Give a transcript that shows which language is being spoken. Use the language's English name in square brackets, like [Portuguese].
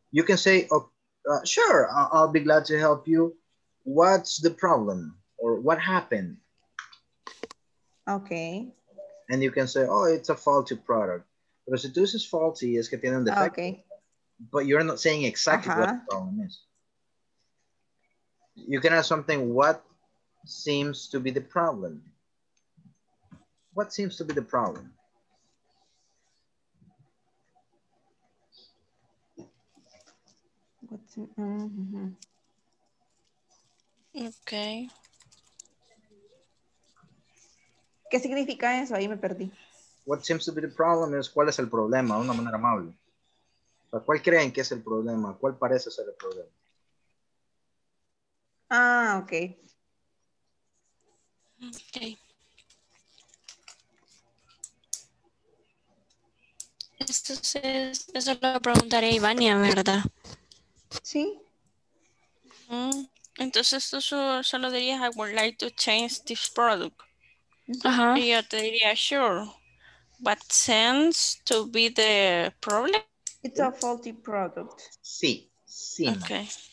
[English] You can say, oh, sure, I'll be glad to help you. What's the problem? Or what happened? Okay. And you can say, oh, it's a faulty product. [Spanish] Pero si tú dices faulty, es que tiene un defecto. [English] Okay. But you're not saying exactly what the problem is. You can ask something, what seems to be the problem? What seems to be the problem? Okay. [Spanish] ¿Qué significa eso? Ahí me perdí. [English] What seems to be the problem is, [Spanish] ¿cuál es el problema? De una manera amable. O sea, ¿cuál creen que es el problema? ¿Cuál parece ser el problema? Ah, ok. Ok. Esto es, eso lo preguntaré a Ivania, ¿verdad? Sí. Mm, entonces, tú solo dirías, [English] I would like to change this product. Uh-huh. [Spanish] Y yo te diría, [English] sure. What seems to be the problem? It's a faulty product. [Spanish] Sí, sí. [English] Okay.